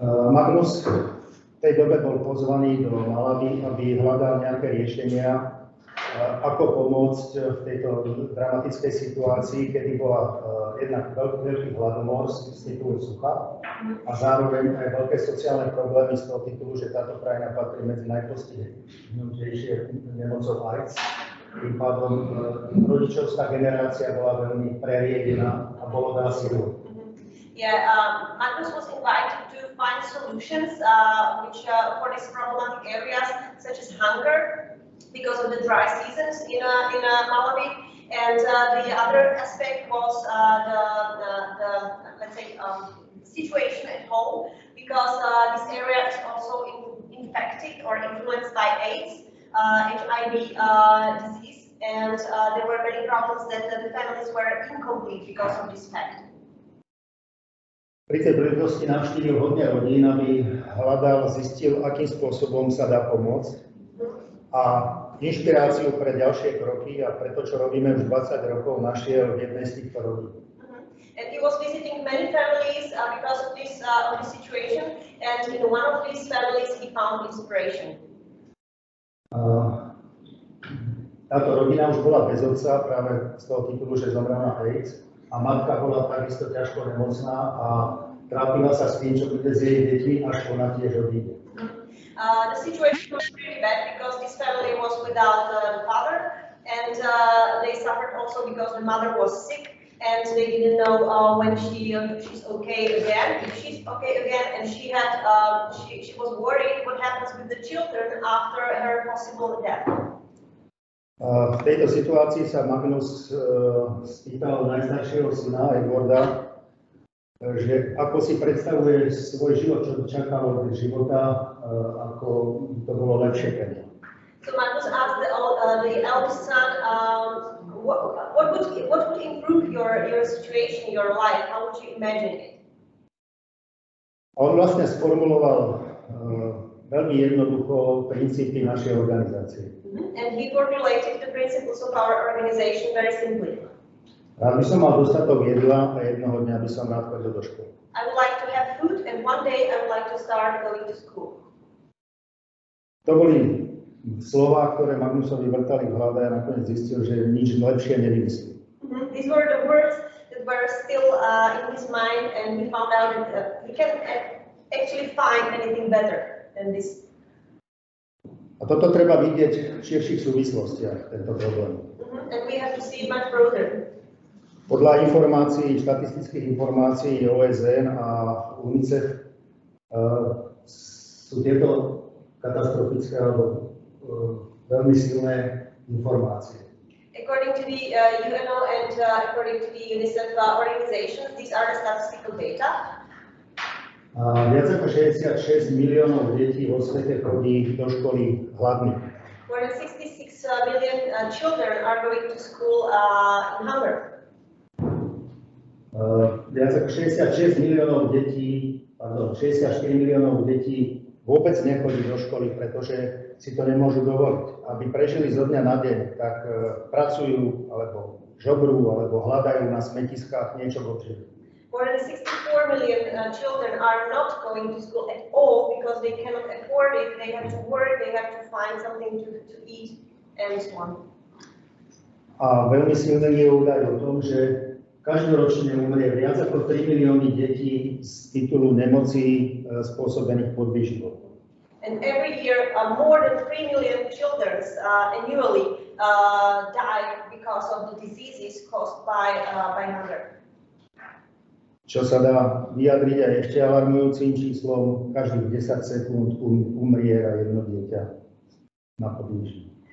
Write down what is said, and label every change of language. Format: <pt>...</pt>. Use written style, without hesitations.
<cs>Magnus v té době byl pozvaný do Malawi, aby hledal nějaké řešení, ako pomoct v této dramatické situaci, kdy byla jednak velký hladomor z titulu sucha a zároveň aj velké sociální problémy z toho titulu, že tato krajina patří mezi nejpostihnutější nemocou AIDS.</cs> <sk>Tým pádom</sk> <cs>rodičovská generace byla velmi preriedená a bylo dá sílu.</cs> <en>Yeah, Marcus was invited to find solutions which for these problematic areas such as hunger because of the dry seasons in Malawi, and the other aspect was the let's say situation at home, because this area is also infected or influenced by AIDS, HIV disease, and there were many problems that the families were incomplete because of this fact.</en> <sk>Pri tej príležitosti navštívil hodne rodín, aby hľadal, zistil, akým spôsobom sa dá pomôcť. A inšpiráciu pre ďalšie kroky a pre to, čo robíme už 20 rokov, našiel v jednej z týchto rodín.</sk> <en>And he was visiting many families because of this situation, and in one of these families he found inspiration.</en> <sk>Táto rodina už bola bez otca práve z toho titulu, že zomrel na AIDS. A matka bola takisto ťažko nemocná a trápila sa s tým, čo bude s jej deťmi, až ona tiež odíde.</sk> <en>The situation was pretty bad because this family was without the father, and they suffered also because the mother was sick and they didn't know when she's okay again. If she's okay again, and she had she was worried what happens with the children after her possible death.</en> <sk>V tejto situácii sa Magnus spýtal najstaršieho syna Edwarda, že ako si predstavuje svoj život, čo by čakalo od života, ako to bolo lepšie pre neho.</sk> <en>So Magnus asked the eldest son, what would improve your situation, your life? How would you imagine it?</en> <sk>On vlastne sformuloval veľmi jednoducho princípy našej organizácie.</sk> <en>And he formulated the principles of our organization very simply.</en> <sk>Rád by som mal dostatok jedla a jednoho dňa by som rád chodil do školy.</sk> <en>I would like to have food and one day I would like to start going to school.</en> <sk>To boli slova, ktoré Magnusovi vrtali v hlave a nakoniec zistil, že nič lepšie nevymyslí.</sk> <en>These were the words that were still in his mind, and we found out that he can't actually find anything better than this.</en> <sk>A toto treba vidieť v širších súvislostiach, tento problém.</sk> <en>And we have to see it much further.</en> <sk>Podľa informácií, štatistických informácií OSN a UNICEF sú tieto katastrofické alebo veľmi silné informácie.</sk> <en>According to the UNO and according to the UNICEF organizations, these are the statistical data.</en> <sk>Viac ako 66 miliónov detí vo svete chodí do školy hladný.</sk> <en>More than 66 million children are going to school in hunger.</en> <sk>Viac ako 64 miliónov detí vôbec nechodí do školy, pretože si to nemôžu dovoliť. Aby prežili zo dňa na deň, tak pracujú, alebo žobrú, alebo hľadajú na smetiskách niečo potrebné.</sk> <en>More than 64 million children are not going to school at all because they cannot afford it. They have to work, they have to find something to eat and so on.</en> <sk>A veľmi silný je údaj o tom, že každoročne umrie viac ako 3 milióny detí z titulu nemocí spôsobených podvýživou.</sk> <en>And every year more than 3 million children annually die because of the diseases caused by hunger.</en> <sk>Čo sa dá vyjadriť aj ešte alarmujúcim číslom, každých 10 sekúnd umriera jedno dieťa na podvýživu.</sk>